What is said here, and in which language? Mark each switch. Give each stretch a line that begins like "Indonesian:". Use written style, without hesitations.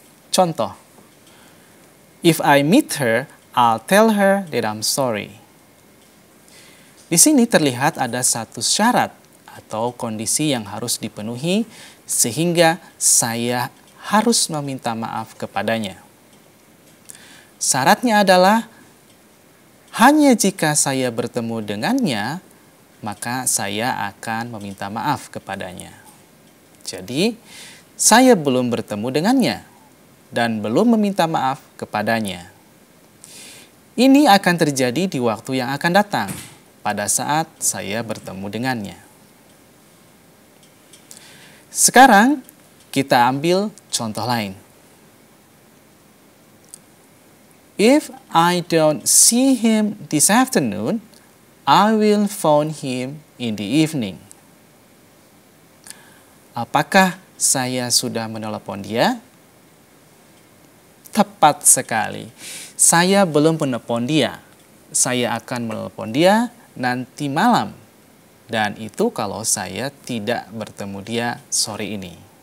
Indonesian: Contoh,
English: if I meet her, I'll tell her that I'm sorry.
Indonesian: Di sini terlihat ada satu syarat atau kondisi yang harus dipenuhi sehingga saya harus meminta maaf kepadanya. Syaratnya adalah hanya jika saya bertemu dengannya, maka saya akan meminta maaf kepadanya. Jadi, saya belum bertemu dengannya dan belum meminta maaf kepadanya. Ini akan terjadi di waktu yang akan datang, pada saat saya bertemu dengannya. Sekarang, kita ambil contoh lain.
English: If I don't see him this afternoon, I will phone him in the evening.
Indonesian: Apakah saya sudah menelepon dia? Tepat sekali. Saya belum menelepon dia. Saya akan menelepon dia nanti malam. Dan itu kalau saya tidak bertemu dia sore ini.